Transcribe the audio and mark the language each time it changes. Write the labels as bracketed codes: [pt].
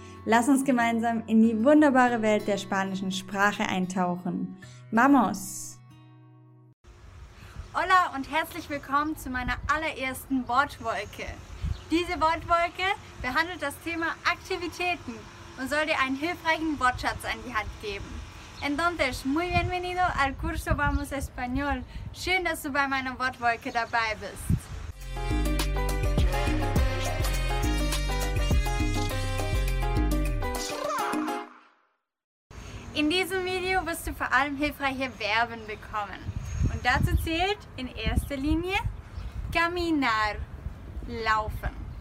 [de] Lass uns gemeinsam in die wunderbare Welt der spanischen Sprache eintauchen. [es] ¡Vamos! Hola [de] und herzlich willkommen zu meiner allerersten Wortwolke. Diese Wortwolke behandelt das Thema Aktivitäten und soll dir einen hilfreichen Wortschatz an die Hand geben. [es] Entonces, muy bienvenido al curso Vamos Español. [de] Schön, dass du bei meiner Wortwolke dabei bist. In diesem Video wirst du vor allem hilfreiche Verben bekommen. Und dazu zählt in erster Linie caminar, laufen.